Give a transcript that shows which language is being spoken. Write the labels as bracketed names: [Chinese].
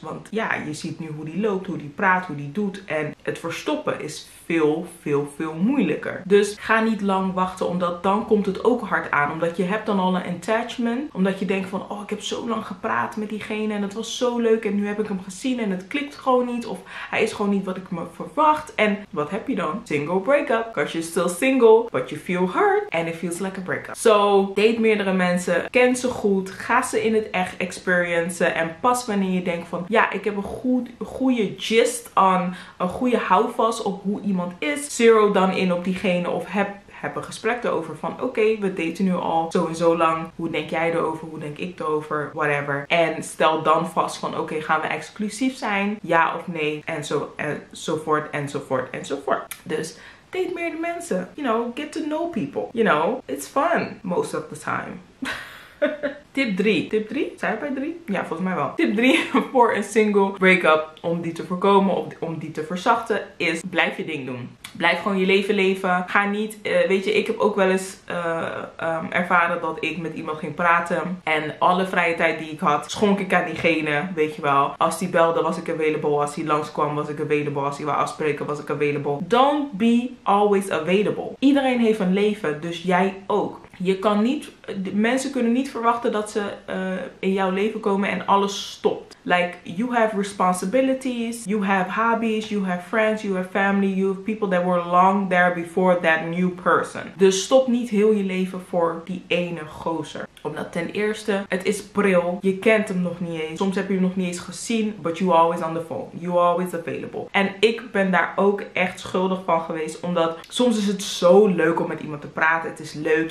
[Dutch] Want ja, je ziet nu hoe die loopt, hoe die praat, hoe die doet. En het verstoppen is veel, veel, veel moeilijker. Dus ga niet lang wachten, omdat dan komt het ook hard aan. Omdat je hebt dan al een attachment. Omdat je denkt van, oh, ik heb zo lang gepraat met diegene en het was zo leuk en nu heb ik hem gezien en het klikt gewoon niet. Of hij is gewoon niet wat ik me verwacht. En wat heb je dan? Single breakup. [English] Because you're still single, but you feel hurt and it feels like a breakup. [Dutch] So, date meerdere mensen. Ken ze goed. Ga ze in het echt experiencen. En pas wanneer je denkt van, ja, ik heb een goede gist aan, een goede houvast op hoe iemand is, zero dan in op diegene of heb een gesprek erover van oké, we daten nu al zo en zo lang. Hoe denk jij erover? Hoe denk ik erover? Whatever. En stel dan vast van oké, gaan we exclusief zijn? Ja of nee? Enzovoort, enzovoort, enzovoort. Dus date meer de mensen. [English] You know, get to know people. You know, it's fun most of the time. [Dutch] Tip 3? Zijn we bij 3? Ja, volgens mij wel. Tip 3 voor een single breakup, om die te voorkomen, om die te verzachten, is blijf je ding doen. Blijf gewoon je leven leven. Ga niet, weet je, ik heb ook wel eens ervaren dat ik met iemand ging praten. En alle vrije tijd die ik had, schonk ik aan diegene, weet je wel. Als die belde, was ik available. Als die langskwam, was ik available. Als die wou afspreken, was ik available. [English] Don't be always available. [Dutch] Iedereen heeft een leven, dus jij ook. Je kan niet, mensen kunnen niet verwachten dat ze in jouw leven komen en alles stopt. [English] Like, you have responsibilities, you have hobbies, you have friends, you have family, you have people that were long there before that new person. [Dutch] Dus stop niet heel je leven voor die ene gozer. Omdat ten eerste, het is pril. Je kent hem nog niet eens. Soms heb je hem nog niet eens gezien. [English] But you always on the phone. You always available. [Dutch] En ik ben daar ook echt schuldig van geweest. Omdat soms is het zo leuk om met iemand te praten. Het is leuk.